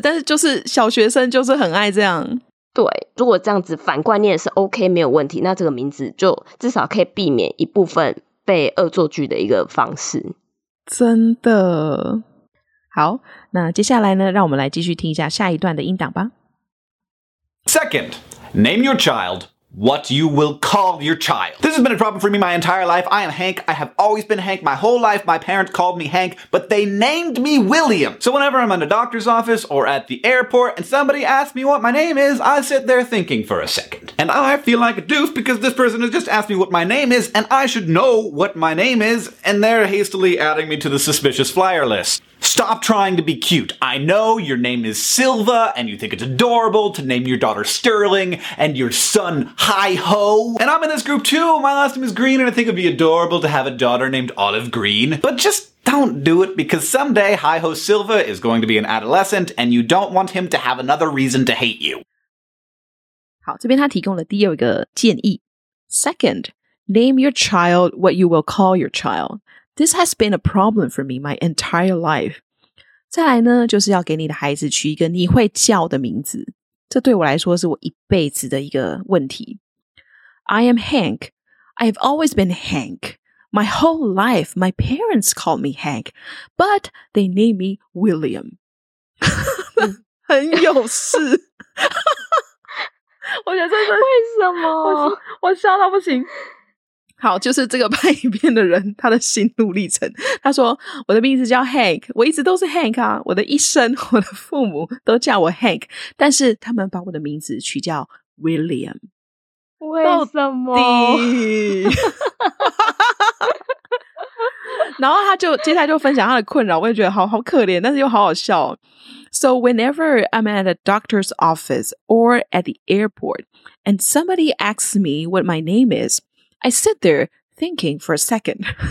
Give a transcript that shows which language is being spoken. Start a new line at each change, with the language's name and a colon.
Chinese: 但是就是小学生就是很爱这样。对，如果这样子反过来念是 OK 没有问题，那这个名字就至少可以避免一部分被恶作剧的一个方式。真的。好，那接下来呢，让我们来继续听一下下一段的音档吧。
English: Second, name your child what you will call your child. This has been a problem for me my entire life. I am Hank. I have always been Hank. My whole life, my parents called me Hank, but they named me William. So whenever I'm in a doctor's office or at the airport and somebody asks me what my name is, I sit there thinking for a second. And I feel like a doof because this person has just asked me what my name is and I should know what my name is and they're hastily adding me to the suspicious flyer list. Stop trying to be cute. I know your name is Silva, and you think it's adorable to name your daughter Sterling, and your son Hi-Ho. And I'm in this group too. My last name is Green, and I think it'd be adorable to have a daughter named Olive Green. But just don't do it, because someday Hi-Ho Silva is going to be an adolescent, and you don't want him to have another reason to hate you.
Chinese: 好，这边他提供了第二个建议。
English: Second, name your child what you will call your child. This has been a problem for me my entire life.
Chinese: 再来呢，就是要给你的孩子取一个你会叫的名字。这对我来说是我一辈子的一个问题。
English: I am Hank. I have always been Hank. My whole life, my parents called me Hank. But they named me William.
Chinese: 很有事。我觉得这是为什么？我笑到不行。好，就是这个拍影片的人他的心路历程，他说我的名字叫 Hank， 我一直都是 Hank 啊，我的一生我的父母都叫我 Hank， 但是他们把我的名字取叫 William，为什么？然后他就接下来就分享他的困扰，我也觉得好可怜，但是又好好笑。
English: So whenever I'm at a doctor's office or at the airport and somebody asks me what my name isI sit there thinking for a second.